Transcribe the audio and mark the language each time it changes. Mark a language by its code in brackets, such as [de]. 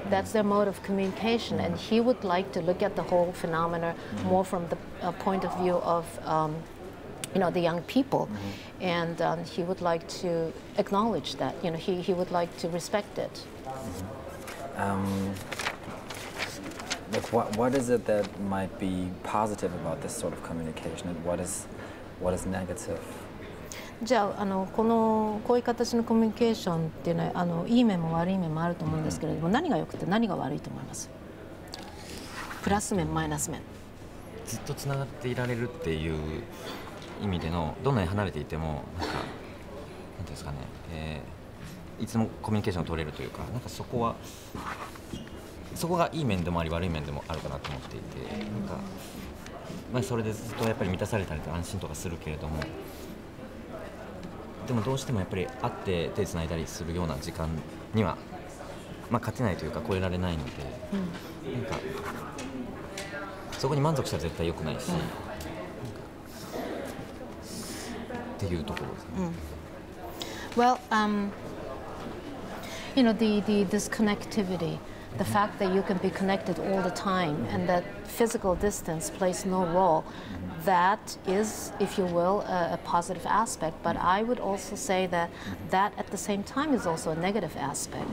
[en] That's their mode of communication, and he would like to look at the whole phenomena more from the point of view of, the young people, and he would like to acknowledge that. He would like to respect it. What is it that might be positive about this sort of communication, and what is negative? [ja] じゃあ、あの、この、こういう形のコミュニケーションっていうのは、あの、いい面も悪い面もあると思うんですけれども、うん、何が良くて何が悪いと思います？プラス面、マイナス面。ずっとつながっていられるっていう意味での、どんなに離れていても、なんか、なんていうんですかね、いつもコミュニケーションを取れるというか、なんかそこは、そこがいい面でもあり悪い面でもあるかなと思っていて、なんか、まあ、それでずっとやっぱり満たされたりと安心とかするけれども、でもどうしてもやっぱり会って手つないだりするような時間には、まあ、勝てないというか超えられないので、うん、なんかそこに満足したら絶対良くないし、うん、なんかっていうところですね。うん、 [en] well, you know, the disconnectivity, the fact that you can be connected all the time and that physical distance plays no role. That is, if you will, a positive aspect, but I would also say that that at the same time is also a negative aspect.